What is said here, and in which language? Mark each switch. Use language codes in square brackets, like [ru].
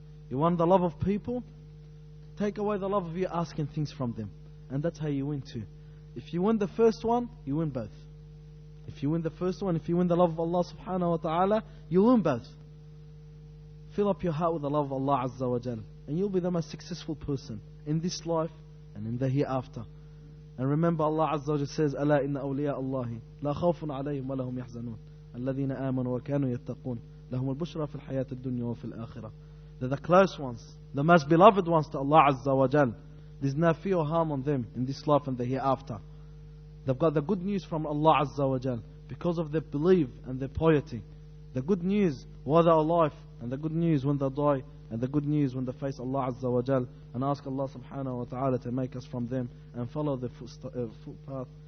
[en] You want the love of people? Take away the love of you asking things from them. And that's how you win too. If you win the first one, you win both. If you win the first one, if you win the love of Allah subhanahu wa ta'ala, you win both. Fill up your heart with the love of Allah Azza wa Jal, and you'll be the most successful person in this life and in the hereafter. And remember, Allah Azza wa Jal says, [ar] أَلَا إِنَّ أَوْلِيَاءَ اللَّهِ لَا خَوْفٌ عَلَيْهِمْ وَلَهُمْ يَحْزَنُونَ الَّذِينَ آمَنُوا وَكَانُوا يَتَّقُونَ لَهُمْ الْبُشْرَى فِي الْحَيَاةِ الدُّنْيَا وَفِي الْآخِرَةِ. [en] They're the close ones, the most beloved ones to Allah Azza wa Jal. There's no fear or harm on them in this life and the hereafter. They've got the good news from Allah Azza wa Jal because of their belief and their piety. The good news while they're alive, and the good news when they die, and the good news when they face Allah Azza wa Jal, and ask Allah subhanahu wa ta'ala to make us from them and follow the footpath.